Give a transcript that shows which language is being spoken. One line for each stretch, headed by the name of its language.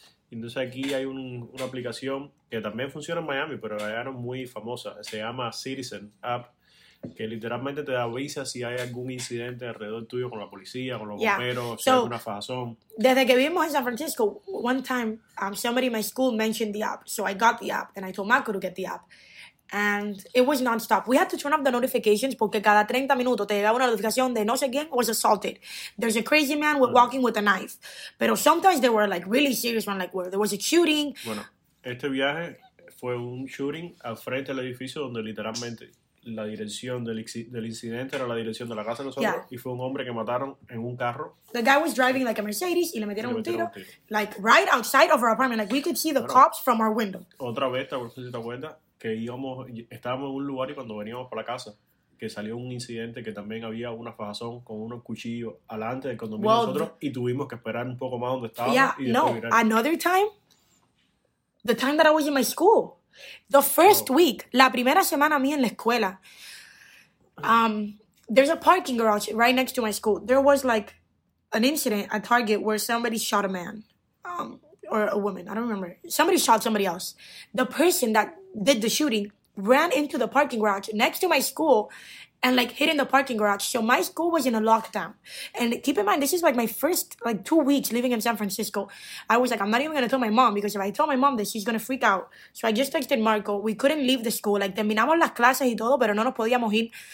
Spanish: Entonces aquí hay una aplicación que también funciona en Miami, pero allá no es muy famosa. Se llama Citizen App, que literalmente te avisa si hay algún incidente alrededor tuyo con la policía, con los bomberos, si hay alguna fajazón. Desde que vivimos en San Francisco,
English: one time somebody in my school mentioned the app. So I got the app and I told Marco to get the app. And it was nonstop. We had to turn off the notifications
Spanish: porque cada 30 minutos te llegaba una notificación de no sé quién
English: was assaulted. There's a crazy man walking with a knife. Pero sometimes they were like really serious one, like where there was a shooting.
Spanish: Bueno, este viaje fue un shooting al frente del edificio donde literalmente la dirección del incidente era la dirección de la casa de nosotros. Yeah. Y fue un hombre que mataron en un carro.
English: The guy was driving like a Mercedes
Spanish: y le metieron un tiro.
English: Like right outside of our apartment. Like we could see the cops from our window.
Spanish: Otra vez, te acuerdas si te acuerdas. Que íbamos, estábamos en un lugar y cuando veníamos para la casa, que salió un incidente que también había una fajazón con unos cuchillos alante del condominio nosotros y tuvimos que esperar un poco más donde estábamos.
English: Another time, the time that I was in my school, the first week,
Spanish: la primera semana mía en la escuela,
English: there's a parking garage right next to my school. There was like an incident at Target where somebody shot a man. Or a woman, I don't remember. Somebody shot somebody else. The person that did the shooting ran into the parking garage next to my school and like hid in the parking garage. So my school was in a lockdown. And keep in mind, this is like my first like 2 weeks living in San Francisco. I was like, I'm not even gonna tell my mom because if I tell my mom this, she's gonna freak out. So I just texted Marco. We couldn't leave the school.
Spanish: Like, terminamos las clases y todo, pero no nos podíamos ir.